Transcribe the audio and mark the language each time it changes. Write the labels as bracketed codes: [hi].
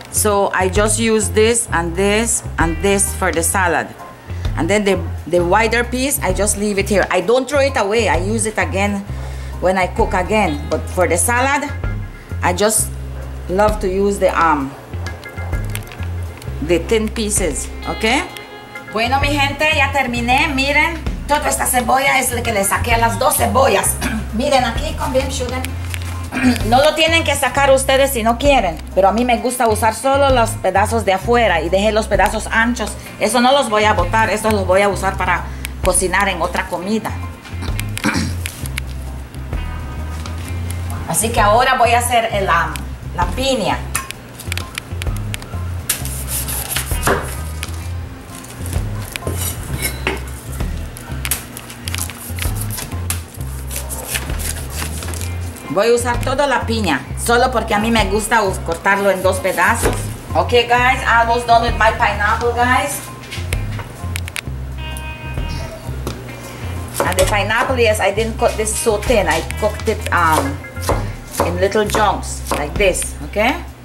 [en] So I just use this and this and this for the salad, and then the wider piece I just leave it here. I don't throw it away. I use it again when I cook again, but for the salad, I just love to use the thin pieces, okay? [es] Bueno, mi gente, ya terminé. Miren, toda esta cebolla es la que le saqué a las dos cebollas. Miren aquí con Bim Sugar. No lo tienen que sacar ustedes si no quieren, pero a mí me gusta usar solo los pedazos de afuera y dejé los pedazos anchos. Eso no los voy a botar, estos los voy a usar para cocinar en otra comida. Así que ahora voy a hacer la piña. Voy a usar toda la piña, solo porque a mí me gusta cortarlo en dos pedazos. [en] Okay guys, almost done with my pineapple, guys. And the pineapple, yes, I didn't cut this so thin. I cooked it in little chunks, like this, okay?